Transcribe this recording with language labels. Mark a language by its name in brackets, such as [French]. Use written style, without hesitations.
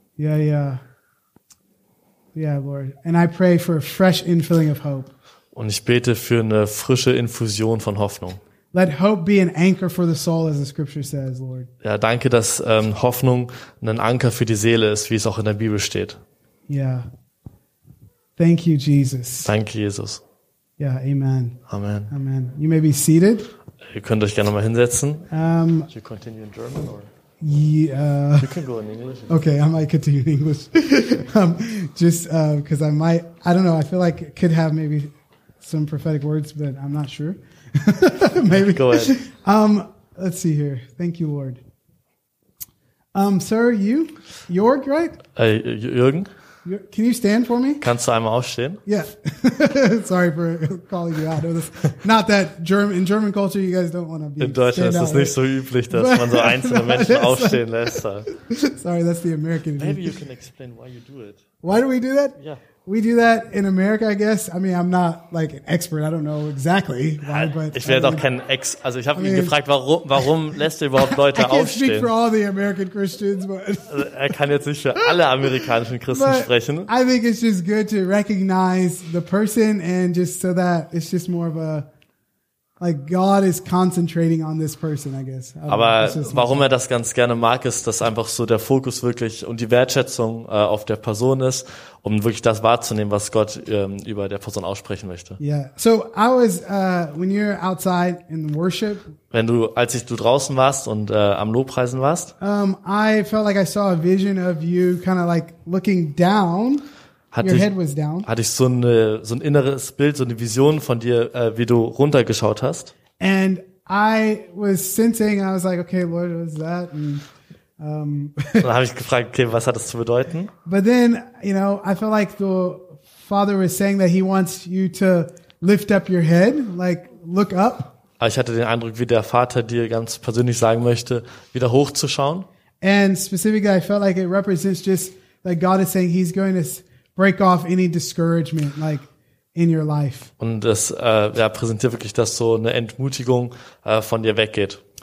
[English] Yeah, Lord. And I pray for a fresh infilling of hope. [German] Und ich bete für eine frische Infusion von Hoffnung. [English] Let hope be an anchor for the soul, as the scripture says, Lord. [German] Ja, danke, dass Hoffnung ein Anker für die Seele ist, wie es auch in der Bibel steht. [English] Yeah. Thank you, Jesus. [German] Danke, Jesus. [English] Yeah, amen. Amen. Amen. You may be seated. [German] Ihr könnt euch gerne mal hinsetzen. [English] Should we continue in German or? You can go in English. Okay, I might continue in English. because I feel like it could have maybe some prophetic words, but I'm not sure. Maybe. Go ahead. Let's see here. Thank you, Lord. Sir, you? Jörg, right? Jürgen? Can you stand for me? [German] Kannst du einmal aufstehen? [English] Yeah. Sorry for calling you out of this. Not that German, in German culture you guys don't want to be. [German] In Deutschland ist es nicht so üblich, dass man so einzelne Menschen aufstehen lässt. [English] Sorry, that's the American view. Maybe you can explain why you do it. Why do we do that? Yeah. We do that in America, I guess. I mean, I'm not like an expert. I don't know exactly why, but [German] ich werde auch kein Ex. Also ich habe ihn gefragt, warum lässt er überhaupt Leute aufstehen? [English] I can't speak for all the American Christians, but [German] er kann jetzt nicht für alle amerikanischen Christen sprechen. [English] I think it's just good to recognize the person and just so that it's just more of a like God is concentrating on this person, I guess. [German] Aber warum er das ganz gerne mag, ist, dass einfach so der Fokus wirklich und die Wertschätzung auf der Person ist, um wirklich das wahrzunehmen, was Gott über der Person aussprechen möchte. [English] Yeah. So I was when you're outside in worship. [German] Als du draußen warst und am Lobpreisen warst. [English] I felt like I saw a vision of you kind of like looking down. [German] Hatte ich so ein inneres Bild, so eine Vision von dir, wie du runtergeschaut hast. [English] And I was sensing, I was like, okay, Lord, what is that? And, [German] dann habe ich gefragt, okay, was hat das zu bedeuten? [English] But then, you know, I feel like the Father was saying that he wants you to lift up your head, like look up. [German] Aber ich hatte den Eindruck, wie der Vater dir ganz persönlich sagen möchte, wieder hochzuschauen. [English] And specifically, I felt like it represents just that God is saying he's going to break off any discouragement, like in your life. [German] Und das präsentiert wirklich, dass so eine Entmutigung von dir weggeht.